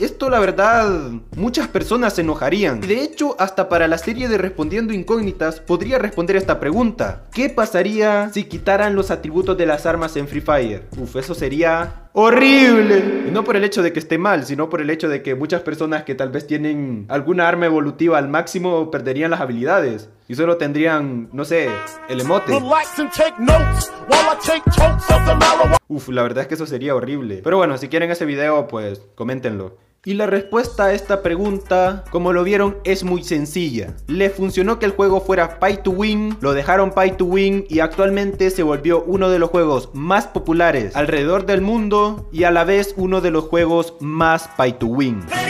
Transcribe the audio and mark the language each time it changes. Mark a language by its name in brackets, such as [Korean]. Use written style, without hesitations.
[Spanish] Esto, la verdad, muchas personas se enojarían. Y de hecho, hasta para la serie de Respondiendo Incógnitas podría responder esta pregunta: ¿qué pasaría si quitaran los atributos de las armas en Free Fire? Uf, eso sería horrible. Y no por el hecho de que esté mal, sino por el hecho de que muchas personas que tal vez tienen alguna arma evolutiva al máximo perderían las habilidades. y solo tendrían, no sé, el emote. [English] Relax and take notes while I take totes of the marijuana. [Spanish] Uf, la verdad es que eso sería horrible. Pero bueno, si quieren ese video, pues coméntenlo. Y la respuesta a esta pregunta, como lo vieron, es muy sencilla. Le funcionó que el juego fuera pay to win, lo dejaron pay to win y actualmente se volvió uno de los juegos más populares alrededor del mundo y a la vez uno de los juegos más pay to win.